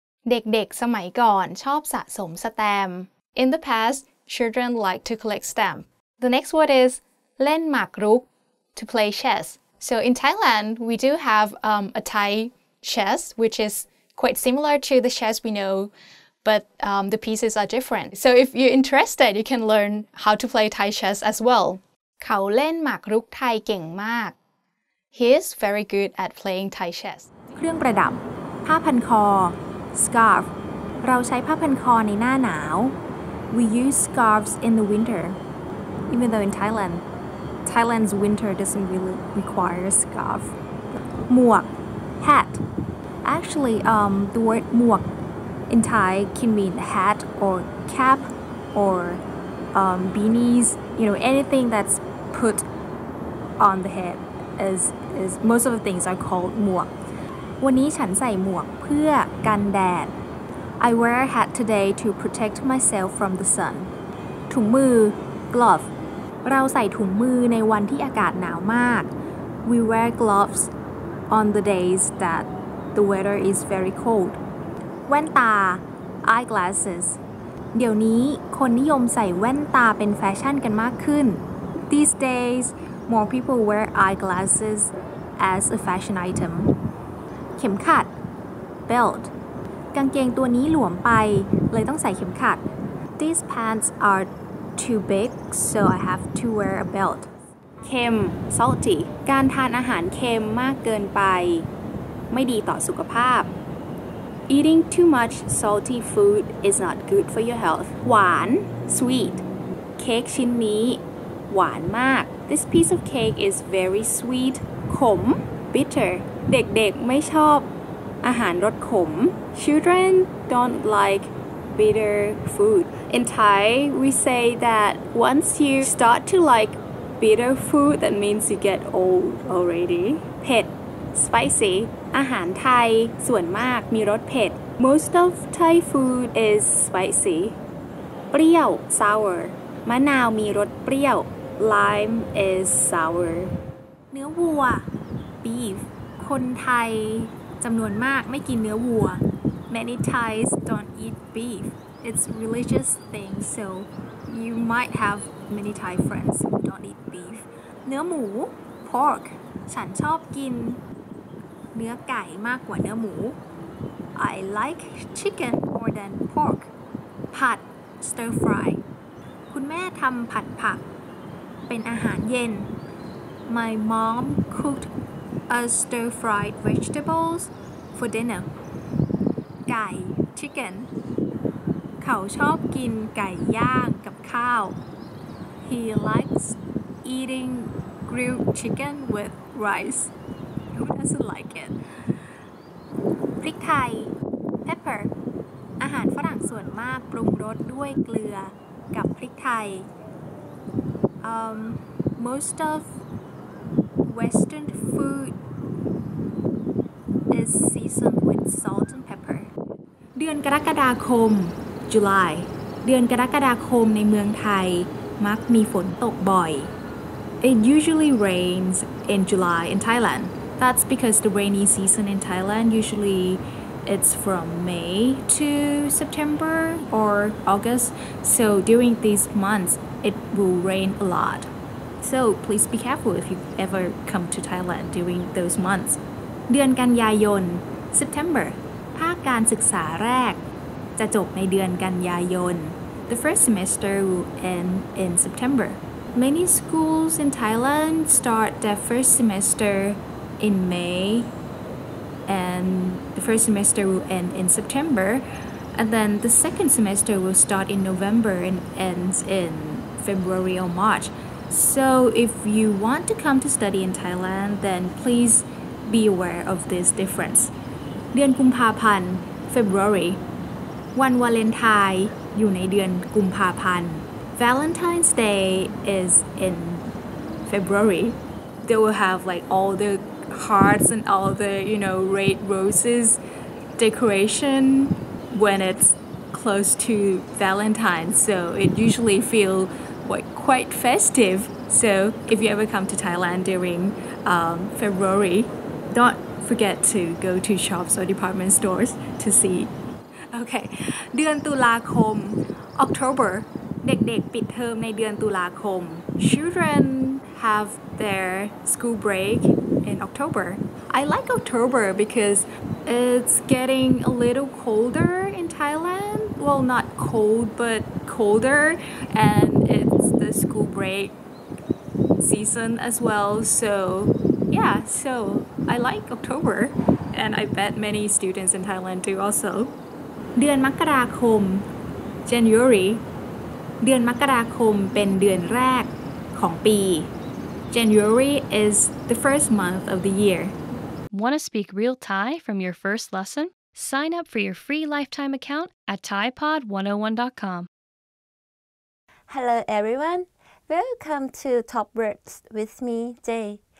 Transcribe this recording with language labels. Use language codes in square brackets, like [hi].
[th] เด็กๆสมัยก่อนชอบสะสมสแตมป์ [en] In the past, children liked to collect stamps. The next word is [th] เล่นหมากรุก [en] to play chess. So in Thailand, we do have a Thai chess, which is... quite similar to the chess we know, but the pieces are different. So if you're interested, you can learn how to play Thai chess as well. [th] เขาเล่นหมากรุกไทยเก่งมาก [en] He is very good at playing Thai chess. [th] เครื่องประดับผ้าพันคอ scarf เราใช้ผ้าพันคอในหน้าหนาว [en] We use scarves in the winter. Even though in Thailand, Thailand's winter doesn't really require a scarf. หมวก hat. Actually, the word muak in Thai can mean hat or cap or beanies. You know, anything that's put on the head is most of the things are called muak. [th] วันนี้ฉันใส่หมวกเพื่อกันแดด [en] I wear a hat today to protect myself from the sun. ถุงมือ glove. [th] เราใส่ถุงมือในวันที่อากาศหนาวมาก [en] We wear gloves on the days thatThe weather is very cold. แว่นตา eyeglasses. [th] เดี๋ยวนี้คนนิยมใส่แว่นตาเป็นแฟชั่นกันมากขึ้น [en] These days, more people wear eyeglasses as a fashion item. เข็มขัด belt. [th] กางเกงตัวนี้หลวมไปเลยต้องใส่เข็มขัด [en] These pants are too big, so I have to wear a belt. [th] เค็ม salty. การทานอาหารเค็มมากเกินไปไม่ดีต่อสุขภาพ [en] Eating too much salty food is not good for your health. [th] หวาน sweet. เค้กชิ้นนี้หวานมาก [en] This piece of cake is very sweet. [th] ขม [en] bitter. [th] เด็กๆไม่ชอบอาหารรสขม [en] Children don't like bitter food. In Thai, we say that once you start to like bitter food, that means you get old already. [th] เผ็ด spicy. อาหารไทยส่วนมากมีรสเผ็ด [en] Most of Thai food is spicy [th] เปรี้ยว sour มะนาวมีรสเปรี้ยว [en] lime is sour [th] เนื้อวัว beef คนไทยจำนวนมากไม่กินเนื้อวัว [en] many Thais don't eat beef it's religious thing so you might have many Thai friends who don't eat beef [th] เนื้อหมู [en] pork [th] ฉันชอบกินเนื้อไก่มากกว่าเนื้อหมู [en] I like chicken more than pork [th] ผัด [en] stir fry [th] คุณแม่ทำผัดผักเป็นอาหารเย็น [en] My mom cooked a stir-fried vegetables for dinner [th] ไก่ [en] chicken [th] เขาชอบกินไก่ย่างกับข้าว [en] He likes eating grilled chicken with rice Who doesn't like it? [th] พริกไทย pepper อาหารฝรั่งส่วนมากปรุงรสด้วยเกลือกับพริกไทย [en] Most of Western food is seasoned with salt and pepper. [th] เดือนกรกฎาคม [en] July [th] เดือนกรกฎาคมในเมืองไทยมักมีฝนตกบ่อย [en] It usually rains in July in Thailand. That's because the rainy season in Thailand usually it's from May to September or August. So during these months,It will rain a lot. So please be careful if you ever come to Thailand during those months. [th] เดือนกันยายน September ภาคการศึกษาแรกจะจบในเดือนกันยายน [en] The first semester will end in September. Many schools in Thailand start their first semester in May and the first semester will end in September and then the second semester will start in November and ends inFebruary or March. So if you want to come to study in Thailand, then please be aware of this difference. [th] เดือนกุมภาพันธ์ [en] February. [th] วันวาเลนไทน์อยู่ในเดือนกุมภาพันธ์ [en] Valentine's Day is in February. They will have like all the hearts and all the, you know, red roses decoration when it's close to Valentine's. So it usually feelQuite festive, so if you ever come to Thailand during February, don't forget to go to shops or department stores to see. [th] Okay, เดือนตุลาคม [en] October. [th] เด็กๆปิดเทอมในเดือนตุลาคม [en] Children have their school break in October. I like October because it's getting a little colder in Thailand. Well, not cold, but colder and school break season as well so yeah so I like October and I bet many students in Thailand do also [th] เดือนมกราคม [en] January [th] เดือนมกราคมเป็นเดือนแรกของปี [en] January is the first month of the year Want to speak real Thai from your first lesson? Sign up for your free lifetime account at ThaiPod101.com Hello everyoneWelcome to Top Words with me, Jay.